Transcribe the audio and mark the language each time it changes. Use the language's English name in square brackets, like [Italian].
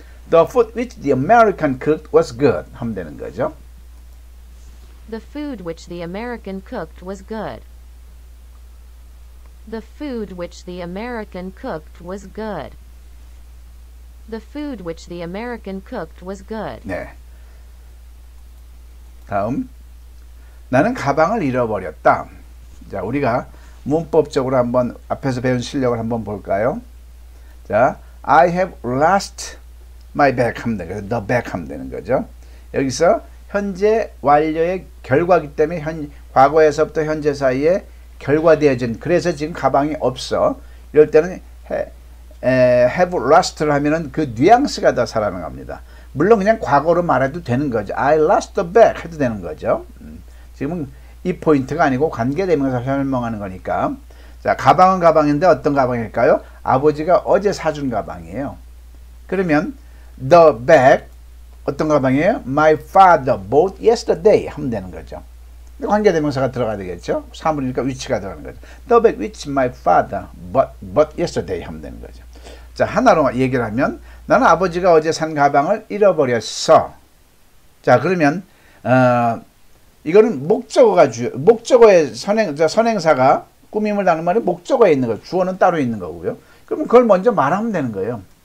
[English] The food which the American cooked was good [Korean] 하면 되는 거죠. [English] The food which the American cooked was good. The food which the American cooked was good. The food which the American cooked was good. [Korean] 네. 다음. 나는 가방을 잃어버렸다. 자, 우리가 문법적으로 한번 앞에서 배운 실력을 한번 볼까요? 자, [English] I have lost my bag [Korean] 하면 되는 거죠. The bag 하면 되는 거죠. 여기서 현재 완료의 결과이기 때문에 과거에서부터 현재 사이에 결과되어진, 그래서 지금 가방이 없어. 이럴 때는 have lost를 하면은 그 뉘앙스가 더 살아나갑니다. 물론 그냥 과거로 말해도 되는 거죠. [English] I lost the bag [Korean] 해도 되는 거죠. 지금은 이 포인트가 아니고 관계대명사 설명하는 거니까. 자, 가방은 가방인데 어떤 가방일까요? 아버지가 어제 사준 가방이에요. 그러면 the bag 어떤 가방이에요? [English] My father bought yesterday [Korean] 하면 되는 거죠. 관계대명사가 들어가야 되겠죠. 사물이니까 위치가 들어가는 거죠. [English] The bag which my father bought yesterday [Korean] 하면 되는 거죠. 자, 하나로 얘기를 하면 나는 아버지가 어제 산 가방을 잃어버렸어. 자, 그러면 이거는 목적어가 주요. 목적어의 선행사가 꾸밈을 다는 말이 목적어에 있는 거, 주어는 따로 있는 거고요. 그러면 그걸 먼저 말하면 되는 거예요.